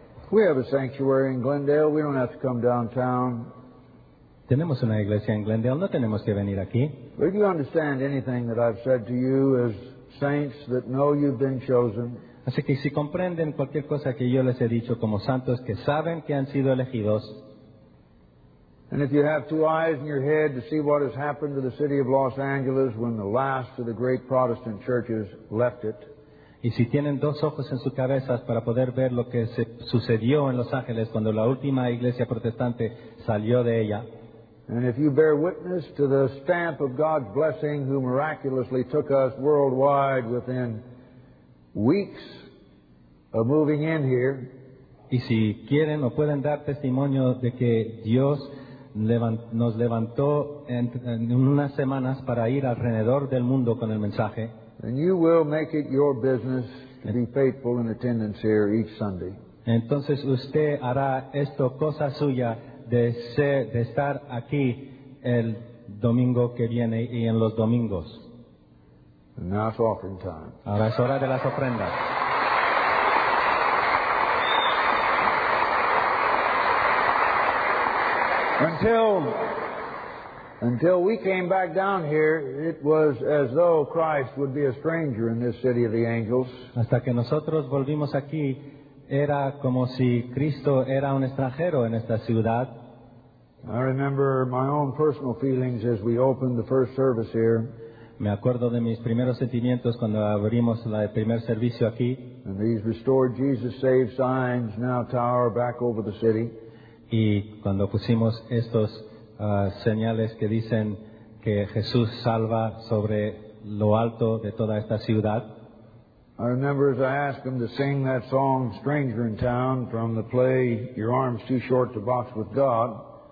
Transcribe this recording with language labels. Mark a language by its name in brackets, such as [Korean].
[English] We have a sanctuary in Glendale. We don't have to come downtown. [Spanish] Tenemos una iglesia en Glendale. No tenemos que venir aquí. [English] Do you understand anything that I've said to you as saints that know you've been chosen? [Spanish] Así que si comprenden cualquier cosa que yo les he dicho como santos que saben que han sido elegidos. [English] And if you have two eyes in your head to see what has happened to the city of Los Angeles when the last of the great Protestant churches left it, [Spanish] y si tienen dos ojos en sus cabezas para poder ver lo que se sucedió en Los Ángeles cuando la última iglesia protestante salió de ella, [English] and if you bear witness to the stamp of God's blessing who miraculously took us worldwide within weeks of moving in here, [Spanish] y si quieren o pueden dar testimonio de que Dios nos levantó en unas semanas para ir alrededor del mundo con el mensaje, [English] and you will make it your business to be faithful in attendance here each Sunday. [Spanish] Entonces usted hará esto cosa suya de estar aquí el domingo que viene y en los domingos. [English] And now it's offering time. [Spanish] Ahora es hora de las ofrendas. [English] Until we came back down here, it was as though Christ would be a stranger in this city of the angels. [Spanish] Hasta que nosotros volvimos aquí, era como si Cristo era un extranjero en esta ciudad. [English] I remember my own personal feelings as we opened the first service here. [Spanish] Me acuerdo de mis primeros sentimientos cuando abrimos el primer servicio aquí. [English] And these restored Jesus saved signs now tower back over the city. [Spanish] Y cuando pusimos estos señales que dicen que Jesús salva sobre lo alto de toda esta ciudad. [English] I remember as I asked him to sing that song, Stranger in Town, from the play Your Arms Too Short to Box with God.